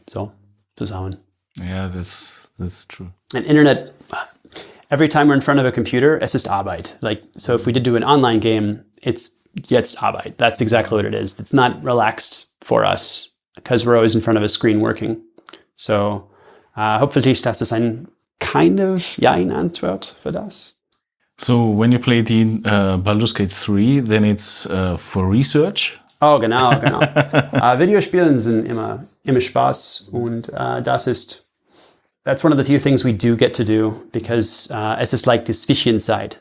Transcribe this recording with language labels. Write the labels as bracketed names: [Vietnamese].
[German] So, zusammen. [English] Yeah, that's true. And internet, every time we're in front of a computer, [German] es ist Arbeit. [English] Like, so if we did do an online game, it's [German] jetzt Arbeit. [English] That's exactly what it is. It's not relaxed for us because we're always in front of a screen working. So, hopefully, [German] das ist ein [English] kind of [German] jein Antwort für das. [English] So when you play the Baldur's Gate 3, then it's for research? [German] Oh, genau. Videospielen sind immer Spaß. [English] Und that's one of the few things we do get to do, because [German] es ist [English] like [German] die Zwischenzeit.